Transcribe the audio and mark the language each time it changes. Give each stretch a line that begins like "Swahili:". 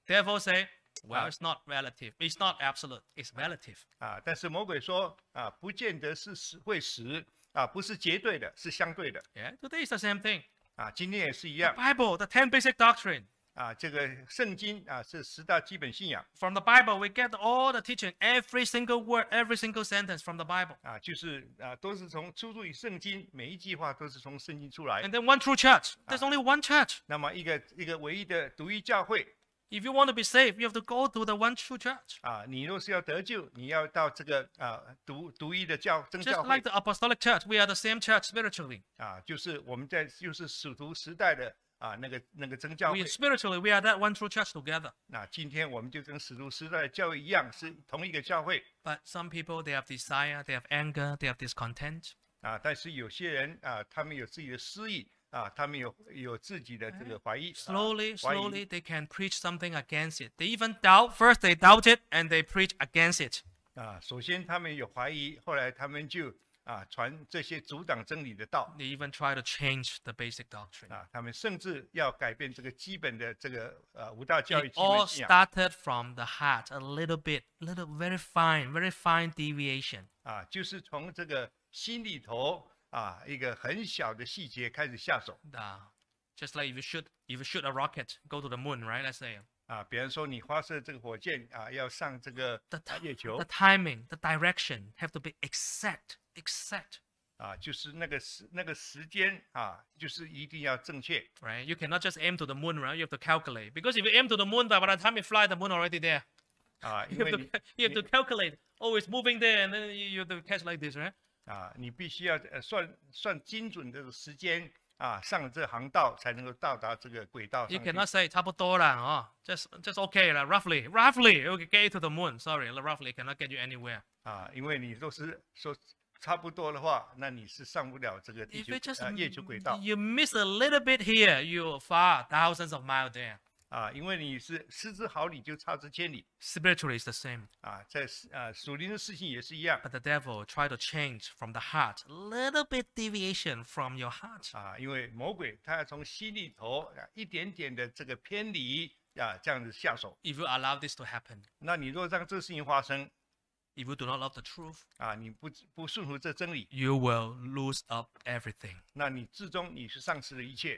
English: Therefore say,Well, it's not relative. It's not absolute. It's relative.
Chinese: 但是魔鬼说，不见得是会死，不是绝对的，是相对的。
English: Yeah, today is the same thing.
Chinese: 今天也是一样。
English: The Bible, the 10 basic doctrine.
Chinese: 这个圣经是十大基本信仰。
English: From the Bible, we get all the teaching, every single word, every single sentence from the Bible.
Chinese: 就是都是从出自于圣经，每一句话都是从圣经出来。
English: And then one true church. There's only one church.
Chinese: 那么一个唯一的独一教会。
English: If you want to be saved, you have to go to the one true church.
Chinese: 你若是要得救，你要到这个独一的教真教会。
English: Just like the apostolic church, we are the same church spiritually.
Chinese: 就是我们在就是使徒时代的那个真教会。
English: We spiritually we are that one true church together.
Chinese: 今天我们就跟使徒时代的教会一样，是同一个教会。
English: But some people they have desire, they have anger, they have discontent.
Chinese: 但是有些人他们有自己的私意。他们 有自己的这个怀疑。
English: Slowly, they can preach something against it. They even doubt. First, they doubt it, and they preach against it.
Chinese: 首先他们有怀疑，后来他们就传这些阻挡真理的道。
English: They even try to change the basic doctrine.
Chinese: 他们甚至要改变这个基本的这个五大教育基本信仰。
English: It all started from the heart, a little bit, very fine deviation.
Chinese: 就是从这个心里头。一个很小的细节开始下手。
English: Just like if you shoot a rocket, go to the moon, right? Let's say.
Chinese: 比方说你发射这个火箭要上这个月球。
English: The timing, the direction have to be exact.
Chinese: 就是那个时间就是一定要正确。
English: Right? You cannot just aim to the moon, right? You have to calculate. Because if you aim to the moon, by the time you fly, the moon already there. You have to calculate. Always moving there, and then you have to catch like this, right?
Chinese: 你必须要算精准的时间上这航道才能够到达这个轨道上。
English: You cannot say
Chinese: 差不多了
English: just okay 了 roughly you can get to the moon. Sorry, roughly cannot get you anywhere.
Chinese: 啊，因为你都是说差不多的话，那你是上不了这个地球啊月球轨道。
English: You miss a little bit here, you're far thousands of miles there.
Chinese: 啊，因为你是失之毫厘，就差之千里。
English: Spiritually is the same.
Chinese: 啊，在啊属灵的事情也是一样。
English: But the devil try to change from the heart, little bit deviation from your heart.
Chinese: 啊，因为魔鬼他要从心里头一点点的这个偏离啊，这样子下手。
English: If you allow this to happen,
Chinese: 那你若让这事情发生。
English: If you do not love the truth,
Chinese: 啊，你不顺服这真理，
English: you will lose up everything. 那你最终你是丧失了一切。